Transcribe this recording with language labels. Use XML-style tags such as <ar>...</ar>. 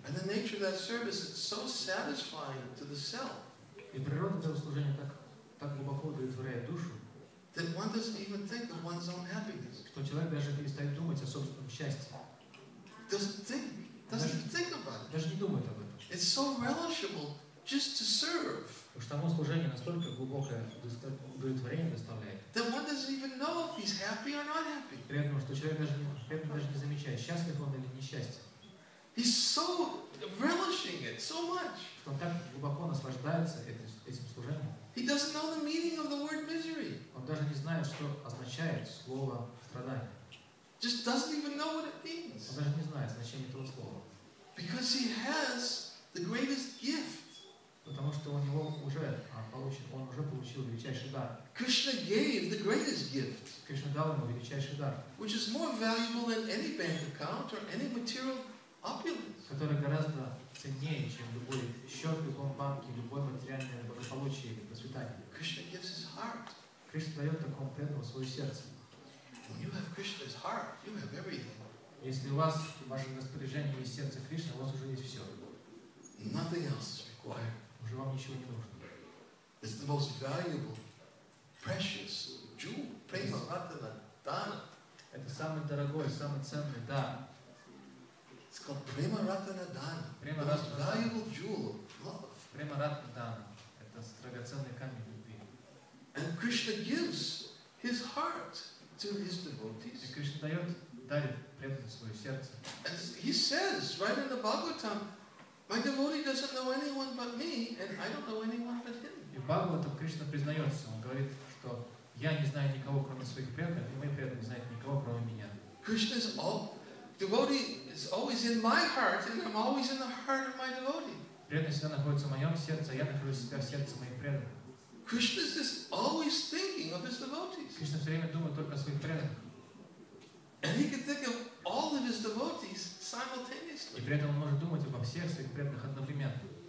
<en>And the nature of that service is so satisfying to the self.</en> <ru>И природа этого служения так глубоко удовлетворяет душу,</ru> <en>that one doesn't even think of one's own happiness.</en> <ru>Что человек даже перестает думать о собственном счастье.</ru> <en>Doesn't think about it.</en> <ru>Даже не думает об этом.</ru> <en>It's so relishable just to serve.</en> <ru>Потому что само служение настолько глубокое удовлетворение доставляет.</ru> <en>Then one doesn't even know if he's happy or not happy.</en> <ru>Приятно, что человек даже не замечает, счастлив он или несчастье.</ru> <en>He's so relishing it so much.</en> <ru>Что он так глубоко наслаждается этим служением.</ru> <en>He doesn't know the meaning of the word misery.</en> <ru>Он даже не знает, что означает слово страдание.</ru> <en>Just doesn't even know what it means.</en> <ru>Он даже не знает значения этого слова.</ru> <en>Because he has the greatest gift.</en> <ru>Потому что у него уже он уже получил величайший дар.</ru> <en>Krishna gave the greatest gift.</en> <ru>Кришна дал ему величайший дар.</ru> <en>Which is more valuable than any bank account or any material opulence.</en> <ru>Который гораздо ценнее, чем любой счет в любом банке, любое материальное благополучие или процветание.</ru> <en>Krishna gives his heart.</en> <ru>Кришна дает такому преданному свое сердце.</ru> <en>When you have Krishna's heart, you have everything.</en> <ru>Если у вас в вашем распоряжении есть сердце Кришны, у вас уже есть все.</ru> <en>Nothing else is required.</en> <ru>Уже вам ничего не нужно.</ru> <en>It's the most valuable, precious jewel, prema ratna, dana.</en> <ru>Это самый дорогой, самый ценный дар.</ru> <en>It's called prema ratna dana. The most valuable jewel of love.</en> <sa>Prema ratna dana.</sa> <ru>Это драгоценный камень любви.</ru> <en>And Krishna gives his heart. to his devotees.</en> <ru>И Кришна дает дарит преданному свое сердце.</ru> <en>As he says right in the Bhagavatam, my devotee doesn't know anyone but me, and I don't know anyone but him.</en> <ru>И Бхагаватам Кришна признается, он говорит, что я не знаю никого кроме своих преданных, и мой преданный не знает никого кроме меня.</ru> <en>Krishna's all devotee is always in my heart, and I'm always in the heart of my devotee.</en> <ru>Преданный всегда находится в моем сердце, а я нахожусь всегда в сердце моих преданных.</ru> <en>Krishna is always thinking of his devotees.</en> <ru>Кришна все время думает только о своих преданных.</ru> <en>And he can think of all of his devotees simultaneously.</en> <ru>И при этом он может думать обо всех своих преданных одновременно.</ru>